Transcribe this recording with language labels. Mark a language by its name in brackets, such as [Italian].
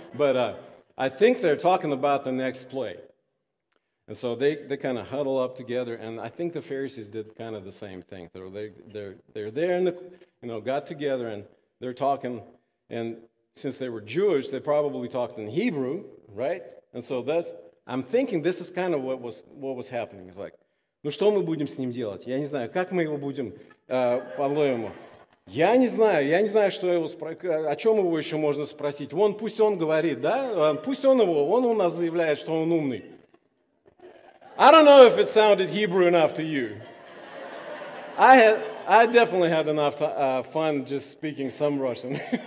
[English] But I think they're talking about the next play. And so they kind of huddle up together, and I think the Pharisees did kind of the same thing. They're there in the, you know, got together, and they're talking, and since they were Jewish, they probably talked in Hebrew, right? And so that's, I'm thinking this is kind of what was happening. It's like, [Russian] ну что мы будем с ним делать? Я не знаю, как мы его будем подловим. Я не знаю, что его о чем его еще можно спросить. Вон пусть он говорит, да? Пусть он у нас заявляет, что он умный. [English] I don't know if it sounded Hebrew enough to you. I definitely had enough fun just speaking some Russian.